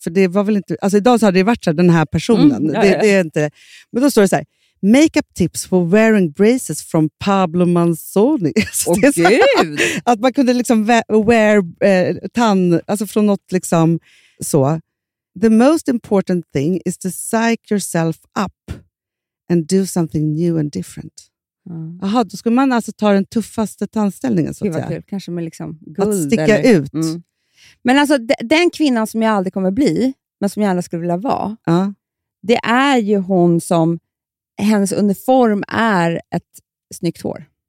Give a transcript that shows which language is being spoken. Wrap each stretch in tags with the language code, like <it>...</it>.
<sv>För det var väl inte, alltså idag så hade det varit så här, den här personen. Mm, ja, det är inte det. Men då står det så här,</sv> <en>makeup tips for wearing braces from Pablo Manzoni.</en> <sv>Åh gud! Här, att man kunde liksom wear tann, alltså från något liksom så.</sv> <en>The most important thing is to psych yourself up and do something new and different. Mm.</en> <sv>Aha, då skulle man alltså ta den tuffaste tandställningen så att säga. Kanske med liksom guld. Att sticka eller ut. Mm. Men alltså den kvinnan som jag aldrig kommer bli, men som jag gärna skulle vilja vara. Det är ju hon som, hennes uniform är ett snyggt hår.</sv>